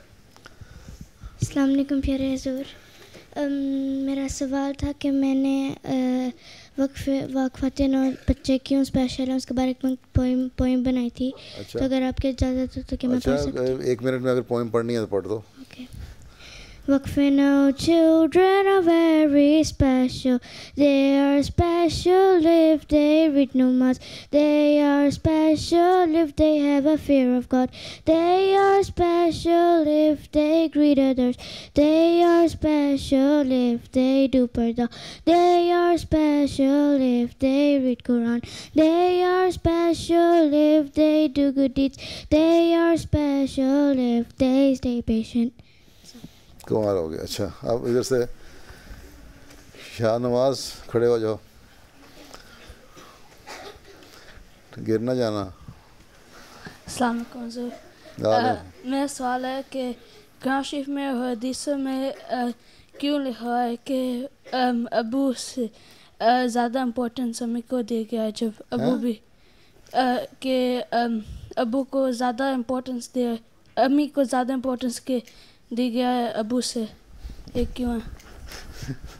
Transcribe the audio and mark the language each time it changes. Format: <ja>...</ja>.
<ur>السلام علیکم پیارے حضور. میرا سوال تھا کہ میں نے واقفہ نو بچے کیوں اسپیشل ہیں اس کے بارے میں پوئم بنائی تھی. اچھا, تو اگر آپ کی اجازت ہو تو کیا میں پڑھ سکتی ہوں؟ ایک منٹ میں اگر پوئم پڑھنی ہے تو پڑھ دو.</ur> <en>Waqfe Nau children are very special, they are special if they read namaz, they are special if they have a fear of God, they are special if they greet others, they are special if they do parda, they are special if they read Quran, they are special if they do good deeds, they are special if they stay patient.</en> <ur>کمال ہو گیا. اچھا آپ ادھر سے شاہ نواز کھڑے ہو جاؤ, گر نہ جانا. السلام علیکم حضور. میرا سوال ہے کہ قرآن شریف میں حدیثوں میں کیوں لکھا ہے کہ ابو سے زیادہ امپورٹنس امی کو دیا گیا ہے, جب ابو بھی کہ ابو کو زیادہ امپورٹنس دیا, امی کو زیادہ امپورٹنس کے دی گیا ہے ابو سے, یہ کیوں ہے؟</ur>